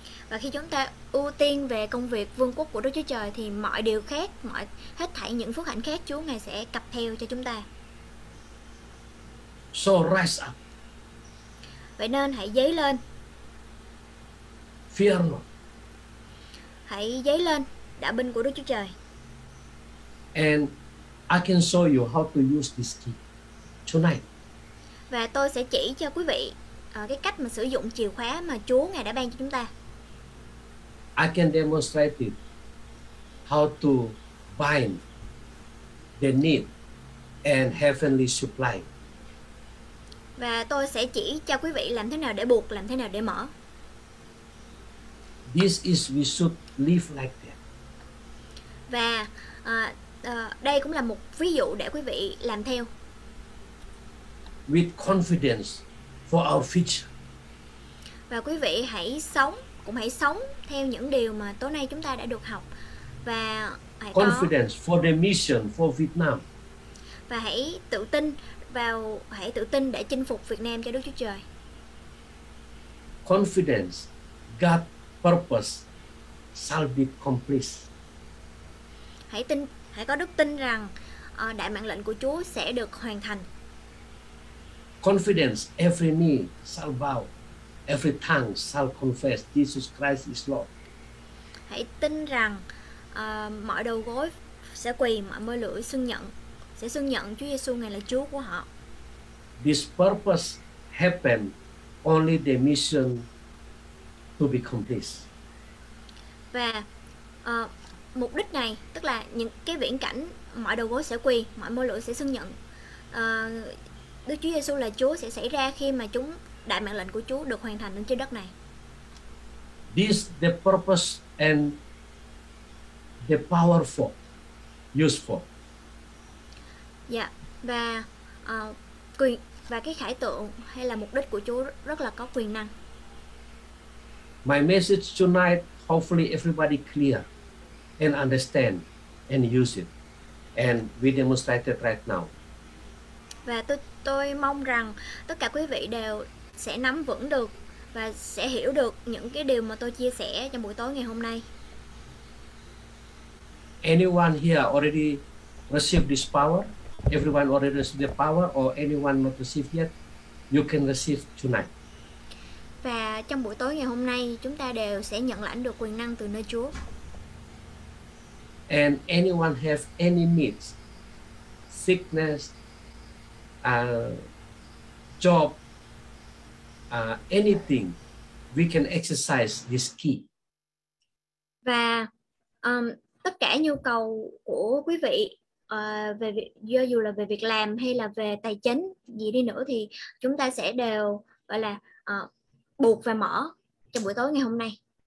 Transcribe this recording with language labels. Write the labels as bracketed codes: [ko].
[vi] Và khi chúng ta ưu tiên về công việc vương quốc của Đức Chúa Trời thì mọi điều khác, mọi hết thảy những phước hạnh khác Chúa ngài sẽ cặp theo cho chúng ta. [en] So rise up. [vi] Vậy nên hãy dấy lên. [en] Fear not. [vi] Hãy dấy lên đạo binh của Đức Chúa Trời. [en] And I can show you how to use this key tonight. [vi] Và tôi sẽ chỉ cho quý vị cái cách mà sử dụng chìa khóa mà Chúa ngài đã ban cho chúng ta. [en] I can demonstrate it how to bind the need and heavenly supply. [vi] Và tôi sẽ chỉ cho quý vị làm thế nào để buộc, làm thế nào để mở. [en] This is we should live like that. [vi] Và đây cũng là một ví dụ để quý vị làm theo. [en] With confidence for our future. [vi] Và quý vị hãy sống theo những điều mà tối nay chúng ta đã được học. Và phải [en] confidence [vi] có. [en] For the mission for Vietnam. [vi] Và hãy tự tin vào, hãy tự tin để chinh phục Việt Nam cho Đức Chúa Trời. [en] Confidence, God purpose shall be complete. [vi] Hãy tin, hãy có đức tin rằng đại mạng lệnh của Chúa sẽ được hoàn thành. [en] Confidence, every knee shall bow, every tongue shall confess Jesus Christ is Lord. [vi] Hãy tin rằng mọi đầu gối sẽ quỳ, mọi môi lưỡi xưng nhận, sẽ xưng nhận Chúa Giêsu Ngài là Chúa của họ. [en] This purpose happen only the mission to be complete. [vi] Và mục đích này, tức là những cái viễn cảnh mọi đầu gối sẽ quỳ, mọi môi lưỡi sẽ xưng nhận Đức Chúa Giêsu là Chúa sẽ xảy ra khi mà chúng đại mạng lệnh của Chúa được hoàn thành trên đất này. [en] This the purpose and the power for use for. [vi] Dạ, và quyền và cái khải tượng hay là mục đích của Chúa rất là có quyền năng. [en] My message tonight, hopefully everybody clear and understand and use it, and we demonstrate it right now. [vi] Và tôi mong rằng tất cả quý vị đều sẽ nắm vững được và sẽ hiểu được những cái điều mà tôi chia sẻ trong buổi tối ngày hôm nay. [en] Anyone here already received this power? Everyone already received the power, or anyone not received yet? You can receive tonight. [vi] Và trong buổi tối ngày hôm nay, chúng ta đều sẽ nhận lãnh được quyền năng từ nơi Chúa. [en] And anyone have any needs, sickness, job, anything, we can exercise this key. [vi] Và tất cả nhu cầu của quý vị, dù là về việc làm hay là về tài chính gì đi nữa, thì chúng ta sẽ đều gọi là buộc và mở trong buổi tối ngày hôm nay.